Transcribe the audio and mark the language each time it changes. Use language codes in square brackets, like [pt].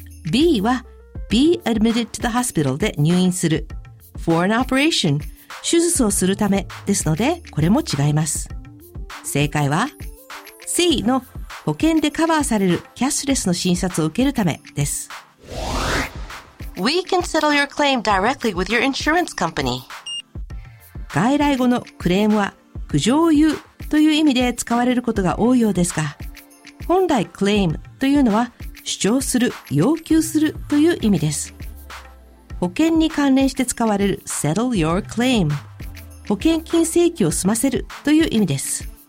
[ja] B は [en] be admitted to the hospital [ja] で入院する [en] for an operation [ja] 手術をするためですのでこれも違います。正解は C の保険でカバーされるキャッシュレスの診察を受けるためです。 [en] We can settle your claim directly with your insurance company. [ja] 外来語のクレームは苦情を言うという意味で使われることが多いようですが、本来 claim というのは主張する、要求するという意味です。保険に関連して使われる settle your claim、保険金請求を済ませるという意味です。